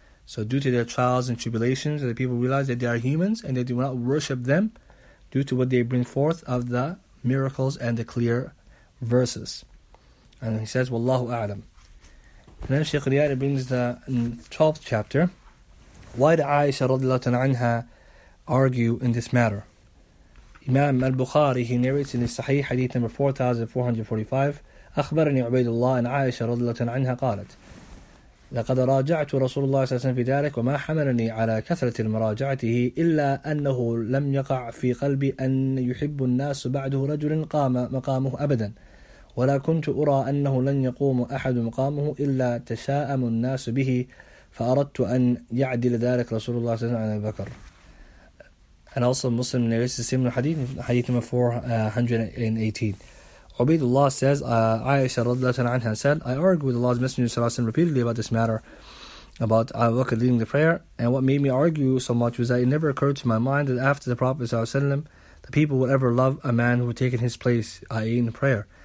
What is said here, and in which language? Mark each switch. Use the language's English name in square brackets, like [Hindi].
[English] So due to their trials and tribulations, the people realize that they are humans and they do not worship them due to what they bring forth of the miracles and the clear verses. And he says, Wallahu A'lam. And then Shaykh Riyad brings the 12th chapter. Why did Aisha radiallahu anha argue in this matter? Imam al-Bukhari, he narrates in his Sahih Hadith number 4445, [Arabic] أخبرني عبيد الله أن عائشة رضي الله عنها قالت لقد راجعت رسول الله صلى الله عليه وسلم في ذلك وما حملني على كثرة مراجعته إلا أنه لم يقع في قلبي أن يحب الناس بعده رجل قام مقامه أبدا ولا كنت أرى أنه لن يقوم أحد مقامه إلا تشاءم الناس به فأردت أن يعدل ذلك رسول الله صلى الله عليه وسلم على بكر. [English] And also Muslim narrates the similar hadith, hadith number 418. Ubaidullah says, Aisha radiallahu anha said, I argued with Allah's Messenger sallallahu alaihi wasallam repeatedly about this matter, about Abu Bakr leading the prayer, and what made me argue so much was that it never occurred to my mind that after the Prophet sallallahu alaihi wasallam, the people would ever love a man who had taken his place, i.e. in prayer.